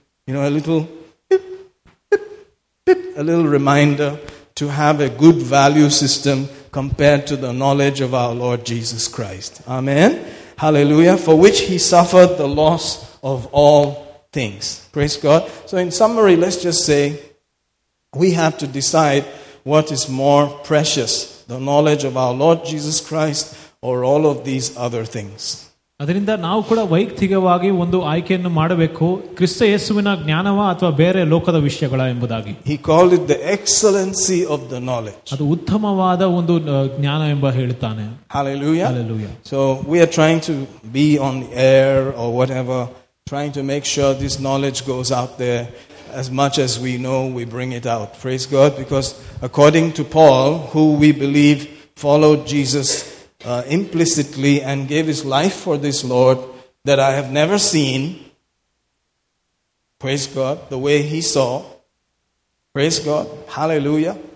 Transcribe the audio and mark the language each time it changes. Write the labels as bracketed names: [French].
[English] You know, a little beep, beep, beep, a little reminder to have a good value system compared to the knowledge of our Lord Jesus Christ. Amen. Hallelujah. For which he suffered the loss of all things. Praise God. So in summary, let's just say we have to decide what is more precious, the knowledge of our Lord Jesus Christ or all of these other things. [Kannada] ಅದರಿಂದ ನಾವು ಕೂಡ ವೈಯಕ್ತಿಕವಾಗಿ ಒಂದು ಆಯ್ಕೆಯನ್ನು ಮಾಡಬೇಕು, ಕ್ರಿಸ್ತ ಯೇಸುವಿನ ಜ್ಞಾನವ ಅಥವಾ ಬೇರೆ ಲೋಕದ ವಿಷಯಗಳ ಎಂಬುದಾಗಿ. [English] He called it the excellency of the knowledge. [Kannada] ಅದು ಉತ್ತಮವಾದ ಒಂದು ಜ್ಞಾನ ಎಂಬ ಹೇಳುತ್ತಾನೆ. [English] Hallelujah. Hallelujah. So we are trying to be on the air or whatever, trying to make sure this knowledge goes out there. As much as we know, we bring it out. Praise God. Because according to Paul, who we believe followed Jesus implicitly and gave his life for this Lord, that I have never seen, praise God, the way he saw, praise God, hallelujah.